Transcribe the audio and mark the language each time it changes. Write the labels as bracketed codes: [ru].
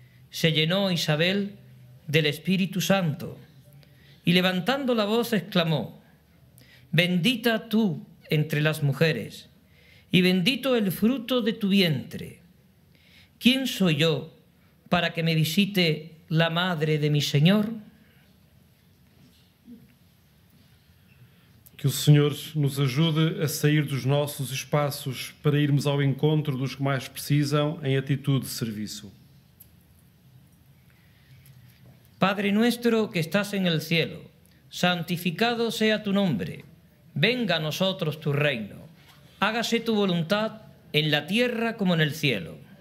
[es] Se llenó Isabel del Espíritu Santo, y levantando la voz exclamó: «Bendita tú entre las mujeres, y bendito el fruto de tu vientre. ¿Quién soy yo para que me visite la madre de mi Señor?». [pt] Que o Senhor nos ajude a sair dos nossos espaços para irmos ao encontro dos que mais precisam em atitude de serviço. [es] Padre nuestro que estás en el cielo, santificado sea tu nombre. Venga a nosotros tu reino. Hágase tu voluntad en la tierra como en el cielo.